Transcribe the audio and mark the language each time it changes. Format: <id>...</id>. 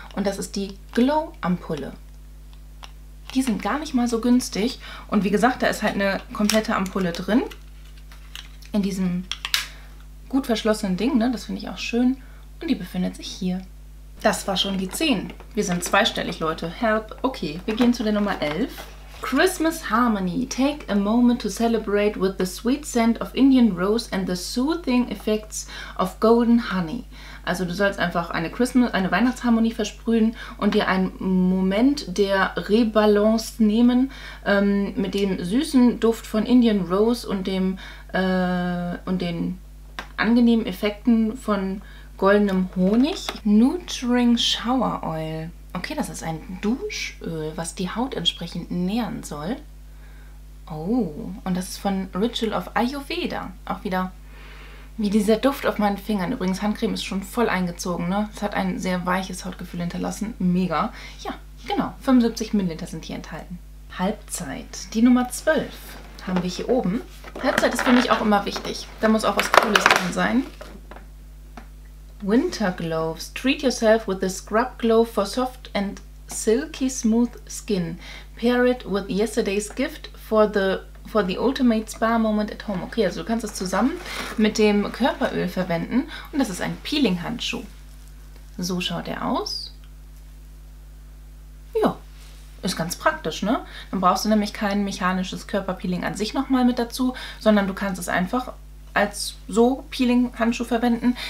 <de>Und das ist die Glow-Ampulle. Die sind gar nicht mal so günstig. Und wie gesagt, da ist halt eine komplette Ampulle drin. In diesem gut verschlossenen Ding, ne? Das finde ich auch schön. Und die befindet sich hier. Das war schon die 10. Wir sind zweistellig, Leute. Help. Okay, wir gehen zu der Nummer 11.</de> <en>Christmas Harmony. Take a moment to celebrate with the sweet scent of Indian Rose and the soothing effects of golden honey.</en> <de>Also du sollst einfach eine Weihnachtsharmonie versprühen und dir einen Moment der Rebalance nehmen mit dem süßen Duft von Indian Rose und dem und den angenehmen Effekten von goldenem Honig.</de> <en>Nurturing Shower Oil.</en> <de>Okay, das ist ein Duschöl, was die Haut entsprechend nähren soll. Oh, und das ist von Ritual of Ayurveda. Auch wieder wie dieser Duft auf meinen Fingern. Übrigens, Handcreme ist schon voll eingezogen, ne? Es hat ein sehr weiches Hautgefühl hinterlassen. Mega. Ja, genau. 75 Milliliter sind hier enthalten. Halbzeit. Die Nummer 12 haben wir hier oben. Halbzeit ist für mich auch immer wichtig. Da muss auch was Cooles drin sein.</de> <en>Winter Gloves. Treat yourself with a scrub glove for soft and silky smooth skin. Pair it with yesterday's gift for the ultimate spa moment at home.</en> <de>Okay, also du kannst es zusammen mit dem Körperöl verwenden. Und das ist ein Peeling-Handschuh. So schaut er aus. Ja, ist ganz praktisch, ne? Dann brauchst du nämlich kein mechanisches Körperpeeling an sich nochmal mit dazu, sondern du kannst es einfach als so Peeling-Handschuh verwenden.</de>